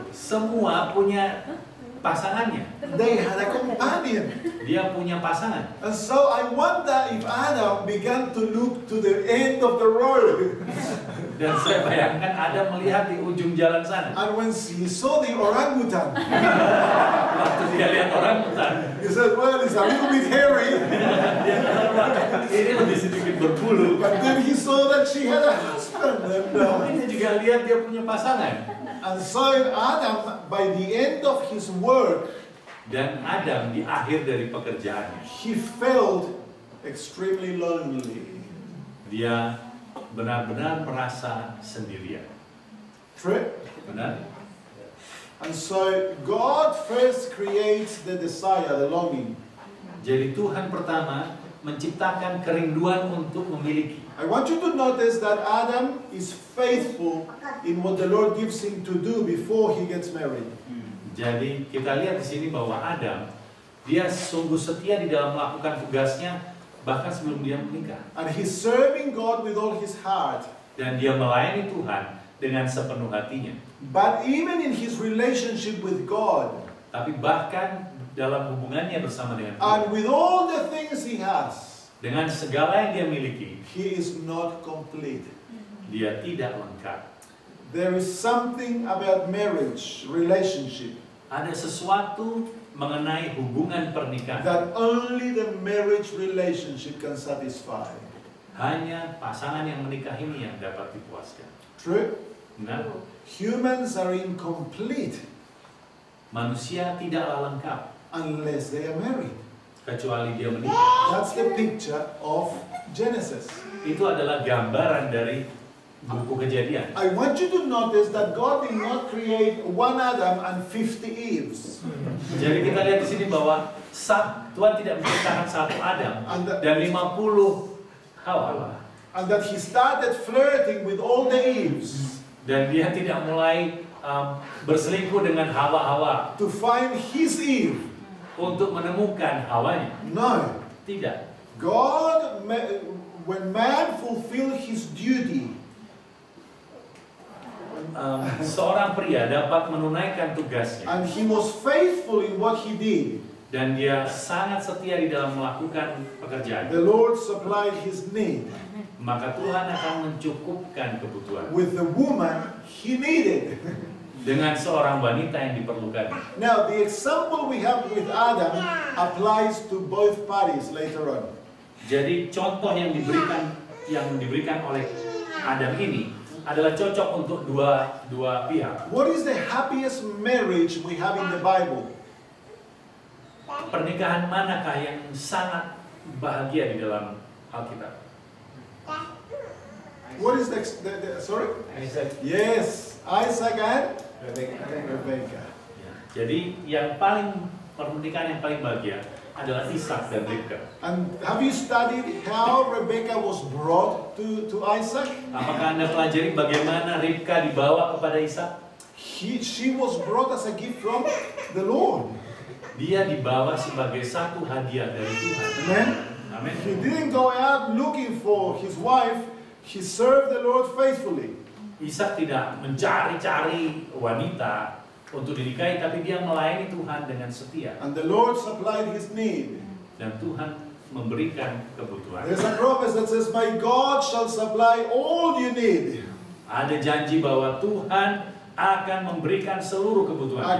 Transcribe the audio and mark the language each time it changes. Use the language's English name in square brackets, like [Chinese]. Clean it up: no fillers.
[Indonesian] Semua punya pasangannya. [English] They had a companion. [Indonesian] Dia punya pasangan. [English] And so I wonder if Adam began to look to the end of the road. [Indonesian] Dan saya bayangkan Adam melihat di ujung jalan sana. [English] And when he saw the orangutan, [Indonesian] waktu dia lihat orangutan, [English] he said, well, it's a little bit hairy. [Indonesian] Dia bilang, ini lebih sedikit berbulu. [English] But then he saw that she had a husband. [Indonesian] Dan dia juga lihat dia punya pasangan. [English] And so Adam, by the end of his work, [Indonesian] dan Adam di akhir dari pekerjaannya, [English] he felt extremely lonely. [Indonesian] Dia benar-benar merasa sendirian. [English] True? [Indonesian] Benar. [English] And so God first creates the desire, the longing. [Indonesian] Jadi Tuhan pertama menciptakan kerinduan untuk memiliki. [English] I want you to notice that Adam is faithful in what the Lord gives him to do before he gets married. [Indonesian] Jadi kita lihat di sini bahwa Adam dia sungguh setia di dalam melakukan tugasnya bahkan sebelum dia menikah. [English] And he's serving God with all his heart. [Indonesian] Dan dia melayani Tuhan dengan sepenuh hatinya. [English] But even in his relationship with God, [Indonesian] tapi bahkan dalam hubungannya bersama dengan Tuhan, [English] and with all the things he has, [Indonesian] dengan segala yang dia miliki, [English] he is not complete. [Indonesian] Dia tidak lengkap. [English] There is something about marriage relationship. [Indonesian] Ada sesuatu mengenai hubungan pernikahan [English] that only the marriage relationship can satisfy. [Indonesian] Hanya pasangan yang menikah ini yang dapat dipuaskan. [English] True? [Indonesian] Nah, [English] humans are incomplete. [Indonesian] Manusia tidaklah lengkap [English] unless they are married. [Indonesian] Kecuali dia menikah. [English] That's the picture of Genesis. [Indonesian] Itu adalah gambaran dari buku kejadian. [English] I want you to notice that God did not create one Adam and 50 Eves. [Indonesian] Jadi kita lihat di sini bahwa Tuhan tidak menciptakan satu Adam dan 50 Hawa. [English] And that he started flirting with all the Eves. [Indonesian] Dan dia tidak mulai berselingkuh dengan Hawa-Hawa. [English] To find his Eve. [Indonesian] Untuk menemukan Hawanya. [English] No. [Indonesian] Tidak. [English] God, when man fulfill his duty. [Indonesian] Seorang pria dapat menunaikan tugasnya. [English] And he was faithful in what he did. [Indonesian] Dan dia sangat setia di dalam melakukan pekerjaan. [English] The Lord supplied his need. [Indonesian] Maka Tuhan akan mencukupkan kebutuhan. [English] With the woman he needed. [Indonesian] Dengan seorang wanita yang diperlukan. [English] Now the example we have with Adam applies to both parties later on. [Indonesian] Jadi contoh yang diberikan oleh Adam ini adalah cocok untuk dua pihak. [English] What is the happiest marriage we have in the Bible? [Indonesian] Pernikahan manakah yang sangat bahagia di dalam Alkitab? [English] What is the sorry? Isaac and Rebecca. [Indonesian] Jadi yang paling pernikahan yang paling bahagia adalah Ishak dan Rebecca. [English] And have you studied how Rebecca was brought to Isaac? [Indonesian] Apakah Anda pelajari bagaimana Rebecca dibawa kepada Ishak? [English] She was brought as a gift from the Lord. [Indonesian] Dia dibawa sebagai satu hadiah dari Tuhan. [English] Amen. [Indonesian] Amen. [English] He didn't go out looking for his wife. He served the Lord faithfully. [Indonesian] Ishak tidak mencari-cari wanita untuk dinikahi, tapi dia melayani Tuhan dengan setia. [English] And the Lord supplied his need. [Indonesian] Dan Tuhan memberikan kebutuhan. [English] There's a promise that says, "My God shall supply all you need." [Indonesian] Ada janji bahwa Tuhan akan memberikan seluruh kebutuhan.